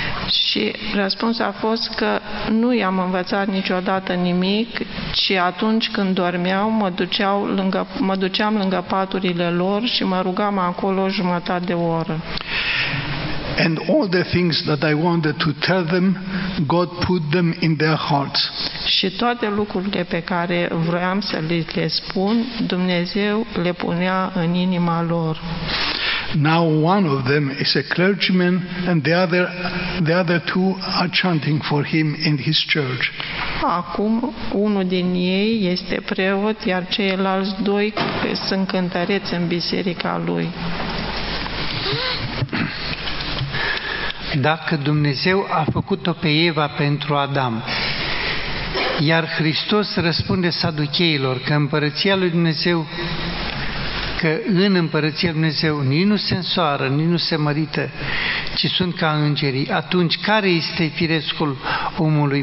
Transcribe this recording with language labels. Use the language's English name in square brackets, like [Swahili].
[Romanian] Și răspunsul a fost că nu i-am învățat niciodată nimic, ci atunci când dormeau, mă duceam lângă paturile lor și mă rugam acolo jumătate de oră. [English] And all the things that I wanted to tell them, God put them in their hearts. [Romanian] Și toate lucrurile pe care vroiam să le spun, Dumnezeu le punea în inima lor. [English] Now one of them is a clergyman and the other two are chanting for him in his church. [Romanian] Acum unul din ei este preot, iar ceilalți 2 sunt cântăreți în biserica lui. Dacă Dumnezeu a făcut-o pe Eva pentru Adam, iar Hristos răspunde saduceilor că împărăția lui Dumnezeu, că în împărăția lui Dumnezeu nici nu se însoară, nici nu se mărită, ci sunt ca îngerii, atunci care este firescul omului?